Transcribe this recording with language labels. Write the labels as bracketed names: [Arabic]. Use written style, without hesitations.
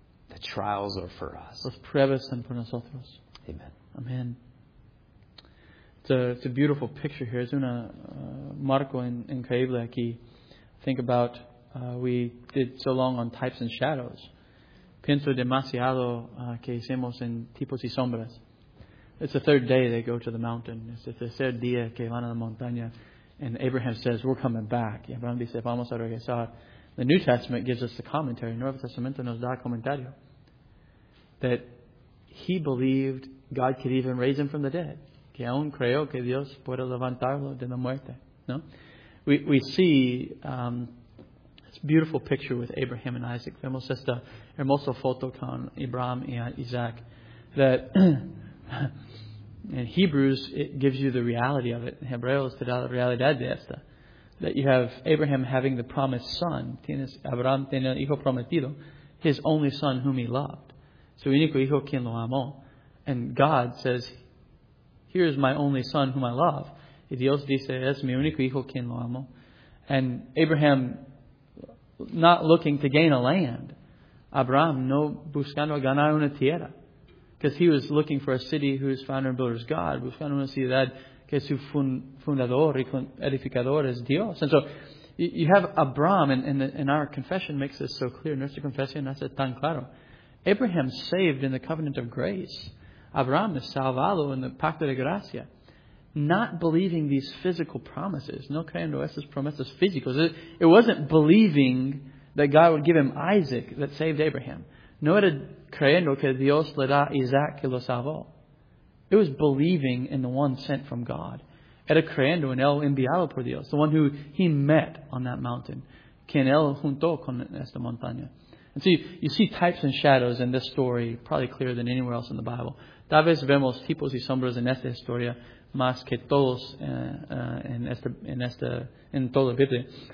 [English] The trials are for us. [Spanish] Las pruebas son por nosotros. [English] Amen. Amen. It's a beautiful picture here. [Spanish] Es una marco increíble aquí. [English] Think about we did so long on types and shadows. [Spanish] Pienso demasiado que hicimos en tipos y sombras. [English] It's the third day they go to the mountain. [Spanish] Es el tercer día que van a la montaña. [English] And Abraham says, we're coming back. [Spanish] Y Abraham dice, vamos a regresar. [English] The New Testament gives us the commentary. [Spanish] El Nuevo Testamento nos da comentario. [English] That he believed God could even raise him from the dead. [Spanish] Que aún creyó que Dios puede levantarlo de la muerte. No? [English] We see this beautiful picture with Abraham and Isaac. [Spanish] Vemos esta hermosa foto con Abraham y Isaac. [English] That in Hebrews, it gives you the reality of it. [Spanish] En Hebreos te da la realidad de esta. [English] That you have Abraham having the promised son. [Spanish] Tienes Abraham tiene el hijo prometido. [English] His only son whom he loved. [Spanish] Su único hijo quien lo amó. [English] And God says, here is my only son whom I love. [Spanish] Y Dios dice, es mi único hijo quien lo amo. [English] And Abraham not looking to gain a land. [Spanish] Abraham no buscando ganar una tierra. [English] Because he was looking for a city whose founder and builder is God. [Spanish] Buscando una ciudad que su fundador y edificador es Dios. [English] And so you have Abraham, and our confession makes this so clear. [Spanish] Nuestra confesión hace tan claro. [English] Abraham saved in the covenant of grace. [Spanish] Abraham is salvado in the pacto de gracia. [English] Not believing these physical promises, [Spanish] no creyendo esas promesas físicas. [English] It wasn't believing that God would give him Isaac that saved Abraham. [Spanish] No era creyendo que Dios le da Isaac que lo salvó. [English] It was believing in the one sent from God. [Spanish] Era creyendo en el enviado por Dios. [English] The one who he met on that mountain. [Spanish] Quien él juntó con esta montaña. [English] And so you see types and shadows in this story, probably clearer than anywhere else in the Bible. [Spanish] Tal vez vemos tipos y sombras en esta historia más que todos en toda la Biblia.